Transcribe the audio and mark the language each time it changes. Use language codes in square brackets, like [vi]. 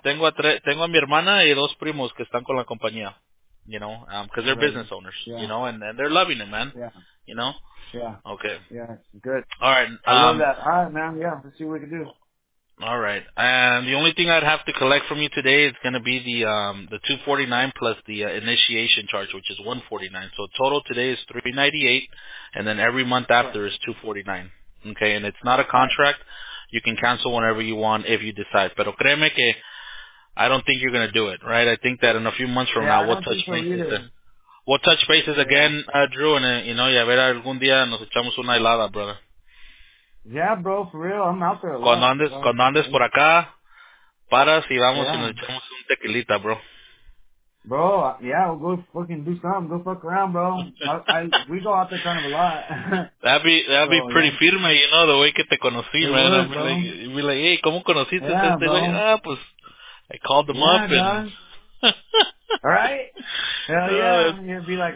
[es] Tengo a mi hermana y dos primos que están con la compañía. [en] You know, because they're business owners, you know, and they're loving it, man. Yeah. You know? Yeah. Okay. Yeah, good. All right. I love that. All right, man. Yeah, let's see what we can do. All right. And the only thing I'd have to collect from you today is going to be the $249 plus the initiation charge, which is $149. So total today is $398, and then every month after is $249. Okay, and it's not a contract. You can cancel whenever you want if you decide. Pero créeme que I don't think you're going to do it, right? I think that in a few months from now, we'll touch bases again, Drew, and, you know, a ver algún día nos echamos una helada, brother. Yeah, bro, for real. I'm out there a lot. [es] Cuando andes por acá, paras y vamos y nos echamos un tequilita, bro. [en] Bro, yeah, we'll go fucking do something. Go fuck around, bro. we go out there kind of a lot. That'd be bro, pretty firme, you know, the way que te conocí, it man. Would, [es] be like, hey, ¿cómo conociste este [en] bro? Like, pues... I called them up, And... All right? Hell yeah. You'd be like,